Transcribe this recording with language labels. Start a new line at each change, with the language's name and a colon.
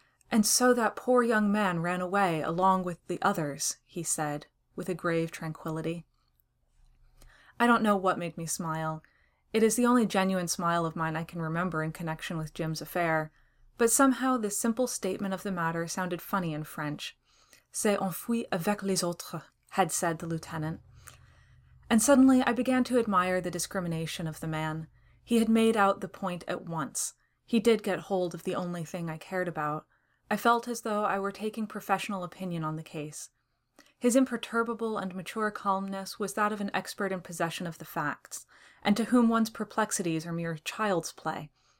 English: And so that poor young man ran away along with the others, he said, with a grave tranquility. I don't know what made me smile. It is the only genuine smile of mine I can remember in connection with Jim's affair, but somehow this simple statement of the matter sounded funny in French.
French: C'est enfui avec les autres,
English: had said the lieutenant. And suddenly I began to admire the discrimination of the man. He had made out the point at once. He did get hold of the only thing I cared about. I felt as though I were taking professional opinion on the case. His imperturbable and mature calmness was that of an expert in possession of the facts, and to whom one's perplexities are mere child's play.